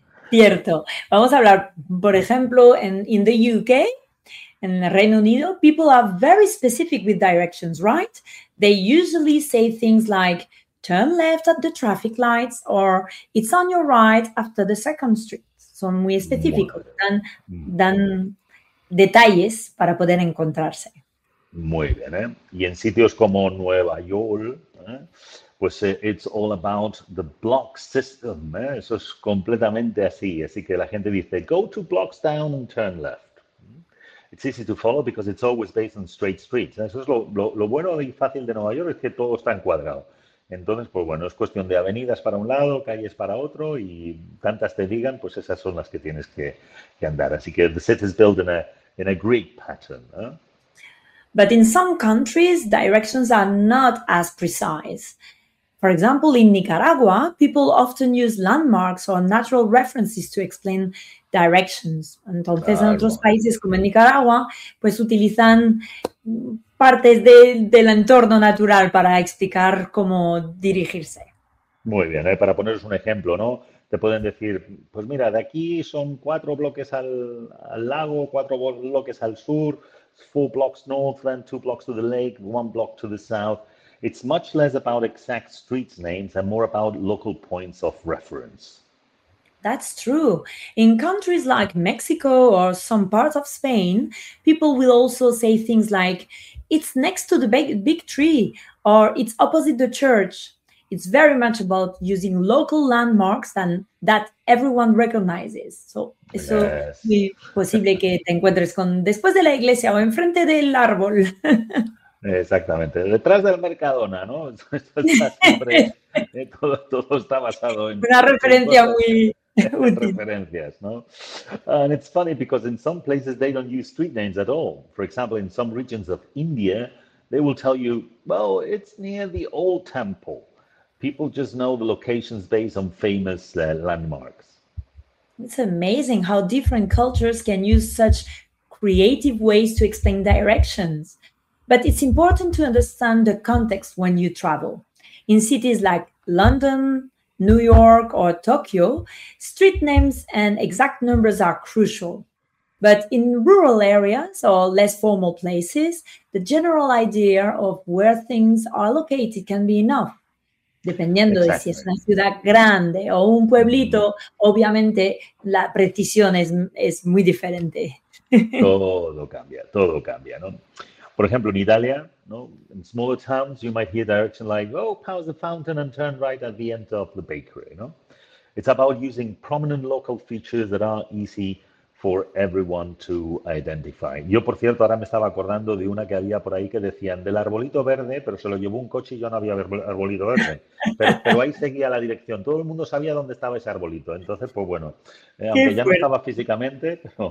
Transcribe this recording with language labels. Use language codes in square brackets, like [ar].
[es] Cierto. Vamos a hablar, por ejemplo, [en] in the UK, [es] En el Reino Unido, [en] people are very specific with directions, right? They usually say things like, turn left at the traffic lights, or it's on your right after the second street. [es] Son muy específicos, dan detalles para poder encontrarse. Muy bien, ¿eh? Y en sitios como Nueva York, pues [en] it's all about the block system, [es] ¿eh? Eso es completamente así. Así que la gente dice, [en] go two blocks down and turn left. It's easy to follow because it's always based on straight streets. [es] Eso es lo bueno y fácil de Nueva York, es que todo está encuadrado. Entonces, pues bueno, es cuestión de avenidas para un lado, calles para otro, y tantas te digan, pues esas son las que tienes que andar. Así que [en] the city is built in a Greek pattern, [es] ¿no? [en] But in some countries, directions are not as precise. For example, in Nicaragua, people often use landmarks or natural references to explain directions. [es] Entonces, en otros países como en Nicaragua, pues utilizan partes del entorno natural para explicar cómo dirigirse. Muy bien, para poneros un ejemplo, ¿no? Te pueden decir, pues mira, de aquí son cuatro bloques al lago, cuatro bloques al sur, [en] four blocks north, then two blocks to the lake, one block to the south. It's much less about exact street names and more about local points of reference. That's true. In countries like Mexico or some parts of Spain, people will also say things like, it's next to the big tree, or it's opposite the church. It's very much about using local landmarks that everyone recognizes. So, yes. [es] Eso es muy posible que te encuentres con después de la iglesia o enfrente del árbol. Exactamente, detrás del Mercadona, ¿no? Esto está siempre, todo está basado en... Una referencia muy... Referencias, ¿no? [en] And it's funny because in some places they don't use street names at all. For example, in some regions of India, they will tell you, well, it's near the old temple. People just know the locations based on famous landmarks. It's amazing how different cultures can use such creative ways to explain directions. But it's important to understand the context when you travel. In cities like London, New York or Tokyo, street names and exact numbers are crucial. But in rural areas or less formal places, the general idea of where things are located can be enough. [es] Dependiendo de si es una ciudad grande o un pueblito, obviamente la precisión es muy diferente. Todo cambia, ¿no? Por ejemplo, en Italia, ¿no? [en] In smaller towns, you might hear direction like, oh, pass the fountain and turn right at the end of the bakery, [es] ¿no? [en] It's about using prominent local features that are easy for everyone to identify. [es] Yo, por cierto, ahora me estaba acordando de una que había por ahí que decían del arbolito verde, pero se lo llevó un coche y yo no había arbolito verde. Pero ahí seguía la dirección. Todo el mundo sabía dónde estaba ese arbolito. Entonces, pues bueno, aunque ya no estaba físicamente...